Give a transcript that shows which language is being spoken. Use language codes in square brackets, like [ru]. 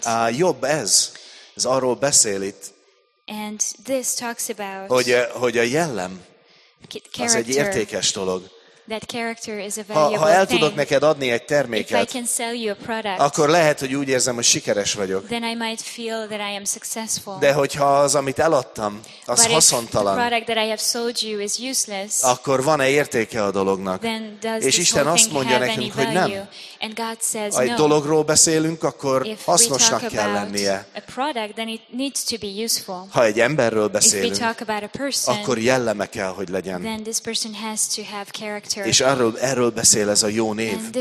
[hu] Jobb ez arról beszél itt, [en] and this talks about [hu] hogy a jellem az egy értékes dolog. [en] That character is a valuable thing. [hu] Ha el tudok neked adni egy terméket, [en] if I can sell you a product, [hu] akkor lehet, hogy úgy érzem, hogy sikeres vagyok. [en] Then I might feel that I am successful. [hu] De hogyha az, amit eladtam, az [en] but [hu] haszontalan, [en] if the product that I have sold you is useless, [hu] akkor van-e értéke a dolognak? [en] Then does [hu] és Isten azt mondja nekünk, hogy nem. [en] And God says, [hu] ha egy dologról beszélünk, akkor hasznosnak kell lennie. [en] A product, then it needs to be useful. [hu] Ha egy emberről beszélünk, [en] if we talk about a person, [hu] akkor jelleme kell, hogy legyen. [en] Then this person has to have character. [hu] És erről beszél ez a jó név.